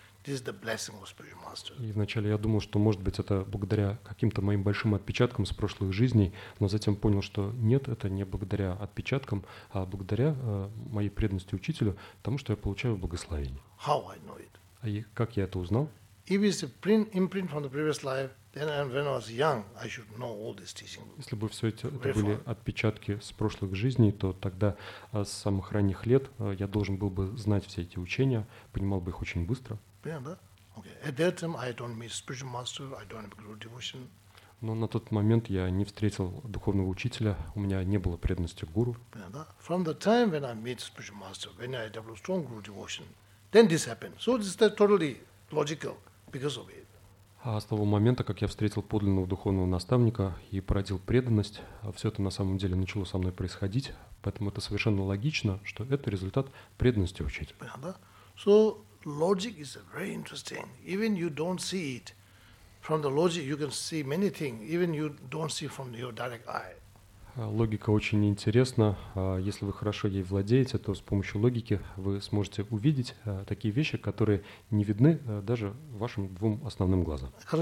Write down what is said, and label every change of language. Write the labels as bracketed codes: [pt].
[en] This is the blessing of spiritual master. [ru] И вначале я думал, что может быть это благодаря каким-то моим большим отпечаткам с прошлых жизней, но затем понял, что нет, это не благодаря отпечаткам, а благодаря моей преданности учителю, тому, что я получаю благословение. [en] How I know it? [ru] И как я это узнал? [en] If it's a print, imprint from the previous life, then when I was young, I should know all these teachings. [ru] Если бы все это были отпечатки с прошлых жизней, то тогда с самых ранних лет я должен был бы знать все эти учения, понимал бы их очень быстро. [en] Okay. At that time, I don't meet spiritual master, I don't have guru devotion. [ru] Но на тот момент я не встретил духовного учителя, у меня не было преданности к гуру. [en] From the time when I meet spiritual master, when I develop strong guru devotion, then this happened. So this is totally logical because of it. [ru] А с того момента, как я встретил подлинного духовного наставника и породил преданность, все это на самом деле начало со мной происходить, поэтому это совершенно логично, что это результат преданности учителя. [en] So logic is very interesting. Even you don't see it from the logic, you can see many things. Even you don't see from your direct eye. [ru] Логика очень интересна. Если вы хорошо ей владеете, то с помощью логики вы сможете увидеть такие вещи, которые не видны даже вашим двум основным глазам.